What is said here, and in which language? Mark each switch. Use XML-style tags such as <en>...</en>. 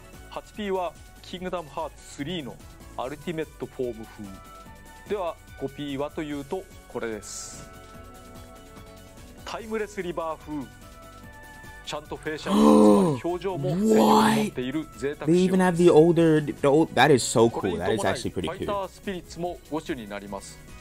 <ja>8P はキングダムハーツ3のアルティメットフォーム風では、 5P はというとこれです。タイムレスリバー風、ちゃんとフェイシャル表情も専用に持っている贅沢仕様。</ja> <en>They even have the older the old, That is so cool. That is actually pretty cool.</en> <ja>ファイタースピリッツも5種になります。</ja>